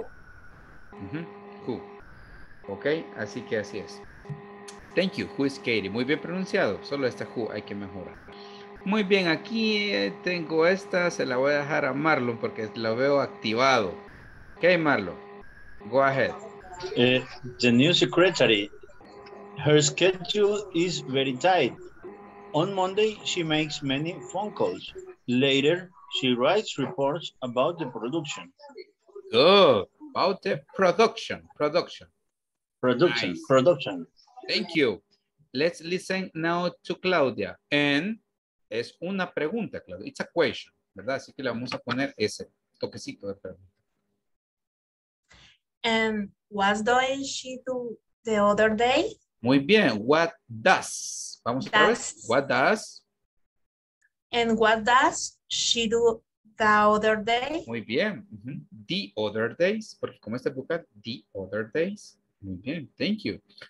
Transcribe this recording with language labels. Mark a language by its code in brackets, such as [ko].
[en] Uh-huh. Who. Ok, [es] así que así es. [en] Thank you, who is Katie. [es] Muy bien pronunciado, solo esta who hay que mejorar. Muy bien, aquí tengo esta, se la voy a dejar a Marlon porque la veo activado. [en] Ok, Marlon, go ahead. The new secretary, her schedule is very tight. On Monday, she makes many phone calls. Later, she writes reports about the production. Good. About the production. Production. Production. Nice. Production. Thank you. Let's listen now to Claudia. And [es] es una pregunta, [en] Claudia. It's a question, ¿verdad? [es] Así que le vamos a poner ese toquecito de pregunta. [en] And what does she do the other day? [es] Muy bien. [en] What does? [es] Vamos a ver. What does? [en] And what does she do the other day? [es] Muy bien. [en] Uh-huh. The other days. [es] Porque como este book, [en] the other days. Muy bien. Thank you.